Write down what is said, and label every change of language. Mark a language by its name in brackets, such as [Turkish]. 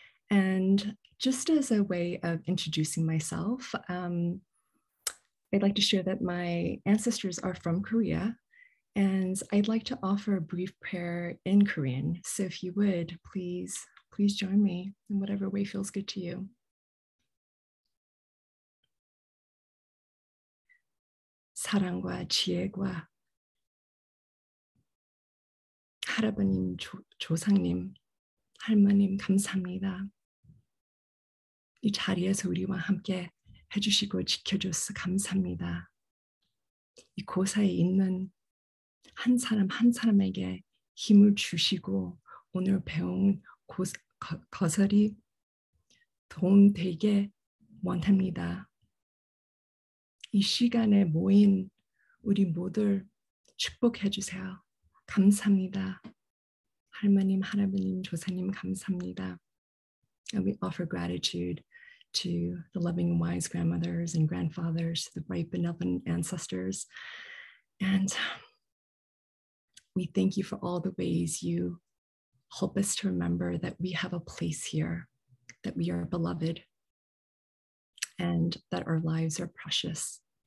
[English] And just as a way of introducing myself, I'd like to share that my ancestors are from Korea, and I'd like to offer a brief prayer in Korean. So if you would, please join me in whatever way feels good to you. [Korean] 사랑과 지혜와 할아버님, 조상님, 할머님 감사합니다. 이 자리에서 우리와 함께 해주시고 지켜줘서 감사합니다. 이 고사에 있는 한 사람 한 사람에게 힘을 주시고 오늘 배운 거설이 도움되게 원합니다. 이 시간에 모인 우리 모두를 축복해 주세요. 감사합니다. 할머님, 할아버님, 조사님, 감사합니다. [English] And we offer gratitude to the loving and wise grandmothers and grandfathers, the bright benevolent ancestors. And we thank you for all the ways you help us to remember that we have a place here, that we are beloved, and that our lives are precious.